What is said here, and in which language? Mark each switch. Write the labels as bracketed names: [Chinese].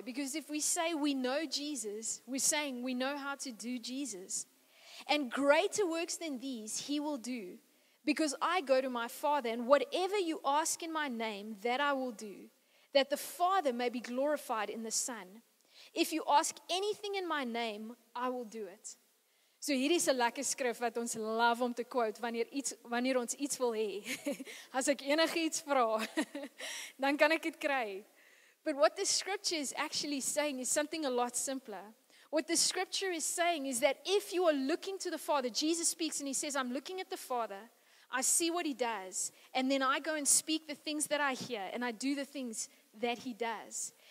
[English] Because if we say we know Jesus, we're saying we know how to do Jesus. "And greater works than these he will do, because I go to my Father, and whatever you ask in my name, that I will do, that the Father may be glorified in the Son. If you ask anything in my name, I will do it." [Afrikaans] So hier is 'n lekker skrif wat ons love om te quote wanneer ons iets wil hê. As ek enigiets vra, dan kan ek dit kry. [English] But what this scripture is actually saying is something a lot simpler. What the scripture is saying is that if you are looking to the Father, Jesus speaks and he says, "I'm looking at the Father, I see what he does, and then I go and speak the things that I hear, and I do the things that he does."